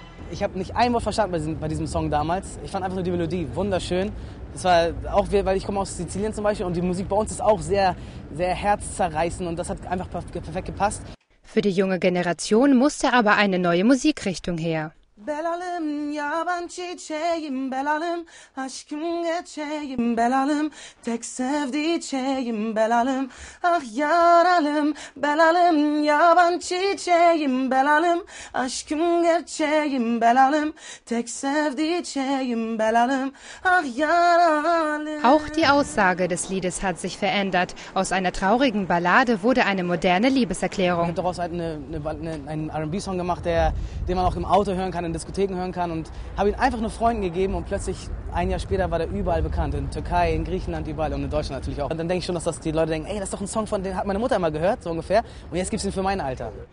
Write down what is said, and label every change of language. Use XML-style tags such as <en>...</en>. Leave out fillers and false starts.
<de>Ich habe nicht ein Wort verstanden bei diesem Song damals. Ich fand einfach nur die Melodie wunderschön. Das war auch, weil ich komme aus Sizilien zum Beispiel und die Musik bei uns ist auch sehr, sehr herzzerreißend und das hat einfach perfekt gepasst. Für die junge Generation musste aber eine neue Musikrichtung her.</de> <tr>Belalım yaban çiçeğim belalım aşkım geçeyim belalım tek sevdiceğim belalım ah yaralım belalım yaban çiçeğim belalım aşkım geçeyim belalım tek sevdiceğim belalım ah yaralım.</tr> <de>Auch die Aussage des Liedes hat sich verändert. Aus einer traurigen Ballade wurde eine moderne Liebeserklärung. Ich habe daraus halt einen R&B-Song gemacht, den man auch im Auto hören kann, in Diskotheken hören kann und habe ihn einfach nur Freunden gegeben und plötzlich ein Jahr später war er überall bekannt, in Türkei, in Griechenland, überall und in Deutschland natürlich auch. Und dann denke ich schon, dass das die Leute denken, ey, das ist doch ein Song, von den hat meine Mutter mal gehört, so ungefähr, und jetzt gibt es ihn für mein Alter.</de>